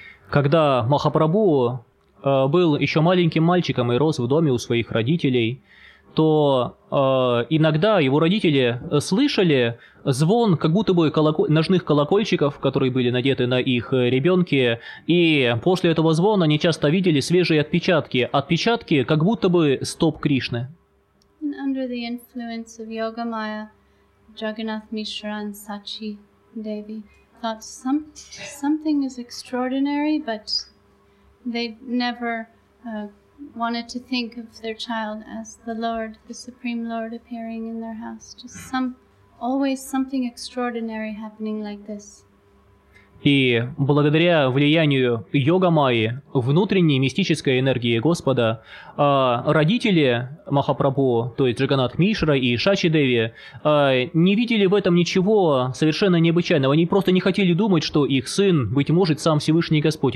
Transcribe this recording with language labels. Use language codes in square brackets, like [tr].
[ru] Когда Махапрабху был еще маленьким мальчиком и рос в доме у своих родителей, то иногда его родители слышали звон как будто бы ножных колокольчиков, которые были надеты на их ребенке, и после этого звона они часто видели свежие отпечатки, отпечатки как будто бы стоп Кришны. [en] And under the influence of Yogamaya, Jagannath Mishra and Sachi Devi thought something is extraordinary, but they never wanted to think of their child as the Lord, the Supreme Lord appearing in their house. Just always something extraordinary happening like this. [ru] И благодаря влиянию йога-майи, внутренней мистической энергии Господа, родители Махапрабху, то есть Джаганнатх Мишра и Шачидеви, не видели в этом ничего совершенно необычайного. Они просто не хотели думать, что их сын, быть может, сам Всевышний Господь.